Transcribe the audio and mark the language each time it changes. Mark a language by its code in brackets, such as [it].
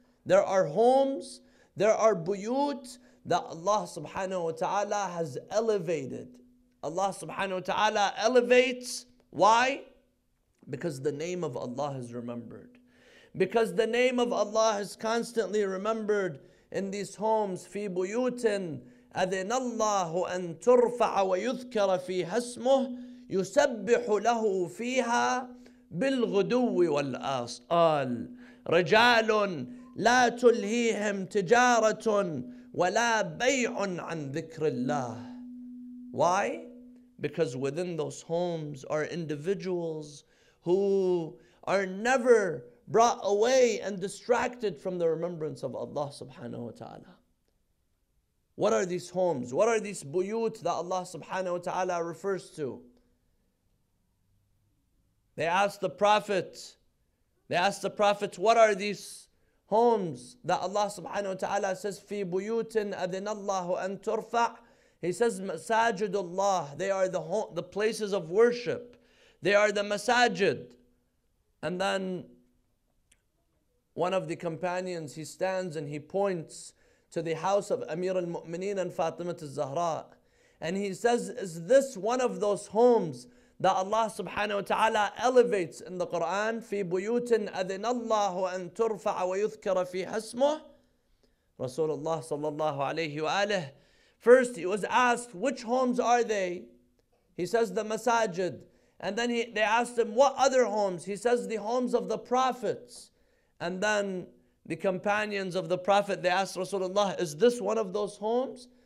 [en] There are homes, there are buyut that Allah subhanahu wa ta'ala has elevated. Allah subhanahu wa ta'ala elevates. Why? Because the name of Allah is remembered. Because the name of Allah is constantly remembered in these homes. [ar] في بيوت أذن الله أن ترفع ويذكر فيها اسمه يسبح له فيها بالغدو والآصال رجال لا تلهيهم تجارة ولا بيع عن ذكر الله. [en] Why? Because within those homes are individuals who are never brought away and distracted from the remembrance of Allah subhanahu wa ta'ala. What are these homes? What are these buyut that Allah subhanahu wa ta'ala refers to? They asked the Prophet, what are these homes that Allah subhanahu wa ta'ala says, [ar] في بُيُوتٍ أَذِنَ اللَّهُ أَن تُرْفَعُ. [en] He says, [ar] مَسَاجِدُ اللَّهِ. [en] They are the places of worship. They are the masajid. And then one of the companions, he stands and he points to the house of Amir al-Mu'mineen and Fatima al-Zahra. And he says, is this one of those homes that Allah subhanahu wa ta'ala elevates in the Quran? [ar] في بيوت أذن الله أن ترفع ويذكر في حسمه. رسول الله صلى الله عليه وآله. [en] First he was asked, which homes are they? He says, the masajid. And then they asked him, what other homes? He says, the homes of the prophets. And then the companions of the Prophet, they asked Rasulullah, is this one of those homes?